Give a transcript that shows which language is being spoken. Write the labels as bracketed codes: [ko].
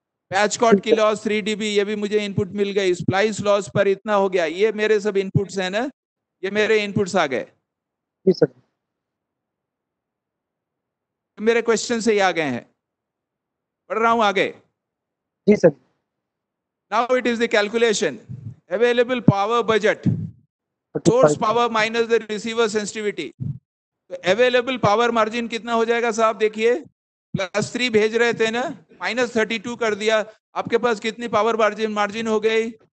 [hi] Patch cord की loss 3 dB, ये भी मुझे इनपुट मिल गई। स्प्लाइस लॉस पर इतना हो गया। ये मेरे सब इनपुट्स हैं ना, ये मेरे इनपुट्स आ गए। मेरे क्वेश्चन से ही आ गए हैं, पढ़ रहा हूं आगे। जी sir. [en] Now it is the calculation. Available power budget. Source power minus the receiver sensitivity. [hi] So available power margin कितना हो जाएगा साहब? देखिए, +3 भेज रहे थे ना, -32 कर दिया। आपके पास कितनी power margin हो गई?